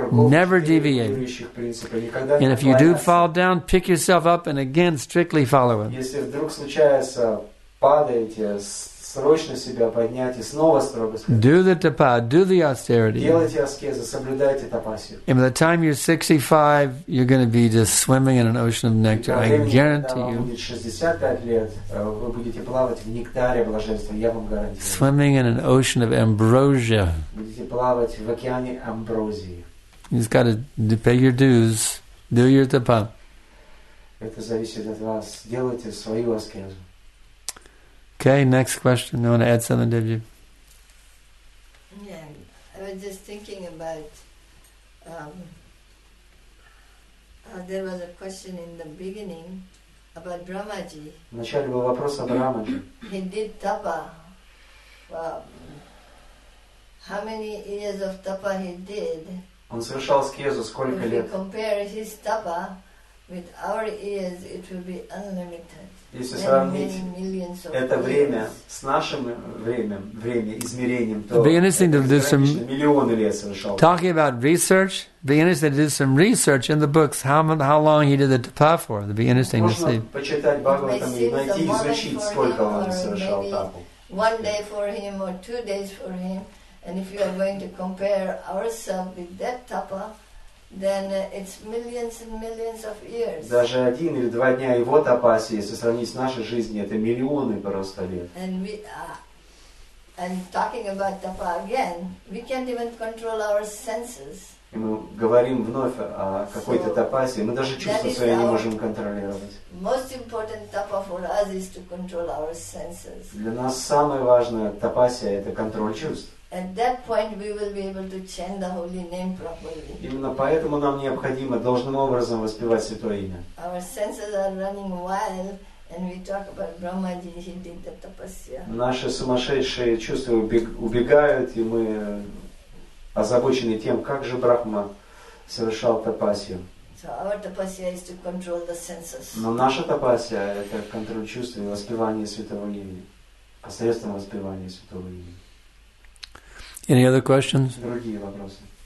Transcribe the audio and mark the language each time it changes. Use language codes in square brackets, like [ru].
[en] Never deviate. And if you do fall down, pick yourself up and again strictly follow it. [ru] Срочно себя поднять и снова строго следовать. [en] Do the tapa, do the austerity. [ru] Делайте аскезы, соблюдайте тапасию. [en] And by the time you're 65, you're going to be just swimming in an ocean of nectar. I guarantee you. [ru] 65 лет, вы будете плавать в нектаре блаженства, я вам гарантирую. [en] Swimming in an ocean of ambrosia. [ru] Будете плавать в океане амброзии. [en] You just got to pay your dues, do your tapa. [ru] Это зависит от вас. Делайте свою аскезу. [en] Okay, next question. You want to add something, did you? Yeah, I was just thinking about there was a question in the beginning about Brahmaji. [ru] Вначале был вопрос о Брамаджи. [en] He did tapa. How many years of tapa he did? [ru] Он совершал аскезу сколько лет? [en] If you compare his tapa with our years, it will be unlimited. [ru] Если сравнить это время с нашим измерением, то миллионы лет совершал. [en] Talking about research, be interesting to do some research in the books. How long he did the tapa for? It'd be interesting [ru] Можно [en] to see. [ru] Можно почитать Бхагаватам и найти, изучить, сколько он совершал тапу. [en] One day for him or 2 days for him, and if you are going to compare ourselves with that tapa, then it's millions and millions of years. [ru] Даже один или два дня его тапасии, если сравнить с нашей жизнью, это миллионы просто лет. [en] And talking about tapa again, we can't even control our senses. [ru] И мы говорим вновь о какой-то тапасии, мы даже чувства свои не можем контролировать. [en] Most important tapa for us is to control our senses. [ru] Для нас самое важное тапасия это контроль чувств. [en] At that point, we will be able to chant the holy name properly. [ru] Именно поэтому нам необходимо должным образом воспевать святое имя. [en] Our senses are running wild, and we talk about Brahmaji, he did the tapasya. [ru] Наши сумасшедшие чувства убегают, и мы озабочены тем, как же Брахма совершал тапасию. [en] So our tapasya is to control the senses. [ru] Но наша тапасия – это контроль чувств и воспевание святого имени, посредством воспевания святого имени. [en] Any other questions? [ru] Другие вопросы.